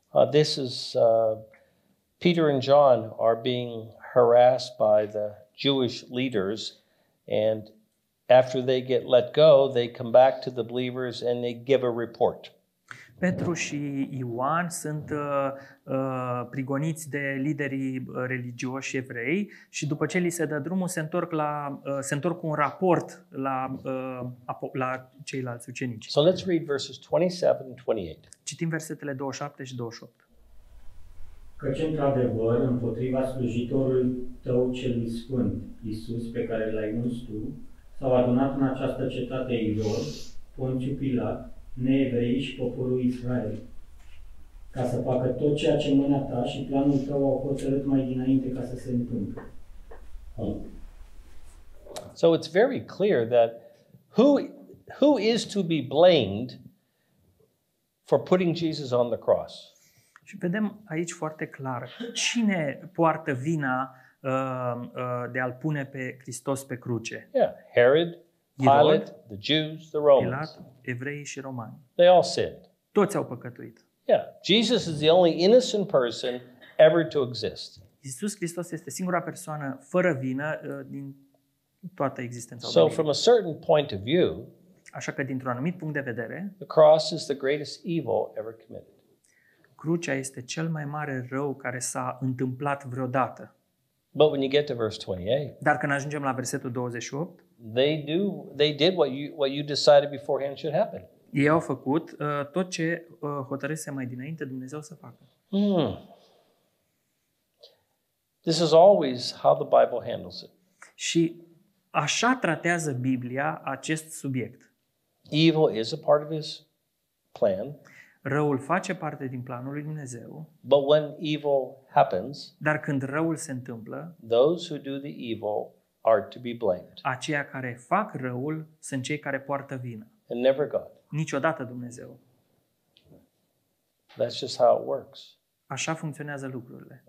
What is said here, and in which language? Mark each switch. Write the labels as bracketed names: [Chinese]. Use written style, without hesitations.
[English] This is Peter and John are being harassed by the Jewish leaders, and after they get let go, they come back to the believers and they give a report. [Romanian] Petru și Ioan sunt prigoniți de liderii religioși evrei și după ce li se dă drumul se întorc cu un raport la ceilalți ucenici. [English] So let's read verses 27 and 28. [Romanian] Citim versetele 27 și 28. Căci într-adevăr, împotriva slujitorului tău cel sfânt, Iisus, pe care l-ai uns tu, s-au adunat în această cetate lor, Ponțiu Pilat, neevrei și poporul Israel, ca să facă tot ceea ce mâna ta și planul tău au hotărât mai dinainte ca să se întâmple. [English] So it's very clear that who is to be blamed for putting Jesus on the cross? [Romanian] Și vedem aici foarte clar cine poartă vina de a-l pune pe Hristos pe cruce. [English] Yeah, Herod, Pilate, the Jews, the Romans. [Romanian] Pilat, evreii și romani. [English] They all sinned. [Romanian] Toți au păcătuit. [English] Yeah, Jesus is the only innocent person ever to exist. [Romanian] Iisus Hristos este singura persoană fără vină din toată existența. [English] So from a certain point of view, [Romanian] așa că dintr-un anumit punct de vedere, [English] the cross is the greatest evil ever committed. [Romanian] Crucea este cel mai mare rău care s-a întâmplat vreodată. [English] But when you get to verse 28, [Romanian] dar când ajungem la versetul 28, [English] they did what you decided beforehand should happen. [Romanian] Ei au făcut tot ce hotărâse mai dinainte Dumnezeu să facă. [English] This is always how the Bible handles it. [Romanian] Și așa tratează Biblia acest subiect. [English] Evil is a part of his plan. [Romanian] Răul face parte din planul lui Dumnezeu. [English] But when evil happens, [Romanian] dar când răul se întâmplă, [English] those who do the evil are to be blamed. [Romanian] Aceia care fac răul sunt cei care poartă vina. [English] And never God. [Romanian] Niciodată Dumnezeu. [English] That's just how it works. [Romanian] Așa funcționează lucrurile.